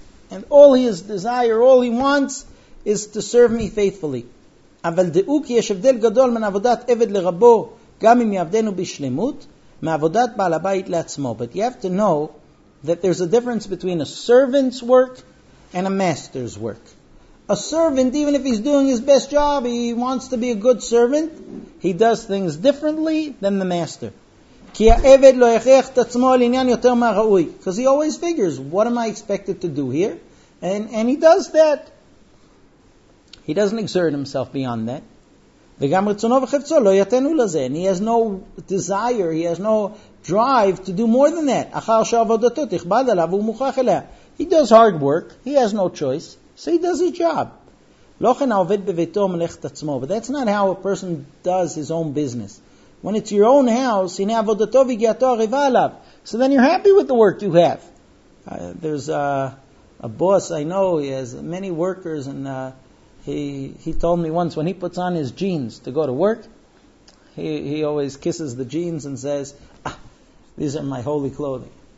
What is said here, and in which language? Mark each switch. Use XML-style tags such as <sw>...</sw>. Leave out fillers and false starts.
<en>And all his desire, all he wants, is to serve me faithfully.</en> <he>אבל דאו כי יש הבדל גדול מן עבודת עבד לרבו, גם אם יעבדנו בשלמות, מעבודת בעל הבית לעצמו.</he> <en>But you have to know that there's a difference between a servant's work and a master's work. A servant, even if he's doing his best job, he wants to be a good servant, he does things differently than the master.</en> <he>כי העבד לא יכרח את עצמו על עניין יותר מהראוי.</he> <en>Because he always figures, what am I expected to do here? And he does that. He doesn't exert himself beyond that.</en> <he>וגם רצונו וחפצו לא יתנו לזה.</he> <en>And he has no desire, he has no drive to do more than that.</en> <he>אחר שעבודתו תכבד עליו והוא מוכרח אליה.</he> <en>He does hard work, he has no choice, so he does his job.</en> <he>לא כן העובד בביתו מלאכת עצמו.</he> <en>But that's not how a person does his own business. When it's your own house,</en> <he>הנה עבודתו והגיעתו הריבה עליו.</he> <en>So then you're happy with the work you have. There's a boss I know, he has many workers and... He told me once, when he puts on his jeans to go to work, he always kisses the jeans and says, ah, these are my holy clothing.</en>